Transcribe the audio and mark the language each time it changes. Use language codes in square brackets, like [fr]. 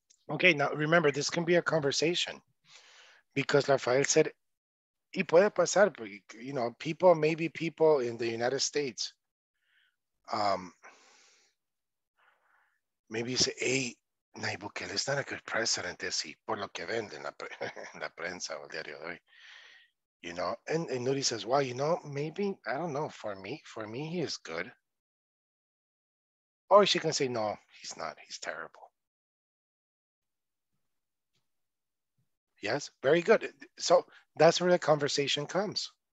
[en] Okay, now remember, this can be a conversation. Because Rafael said, [es] y puede pasar, [en] you know, maybe people in the United States, maybe you say, hey, Nayib Bukele is not a good president, is he? [es] Por lo que vende en la prensa o el diario de hoy. [en] You know, and Nuri says, well, you know, maybe, I don't know, for me, he is good. Or she can say, no, he's not, he's terrible. Yes, very good. So that's where the conversation comes.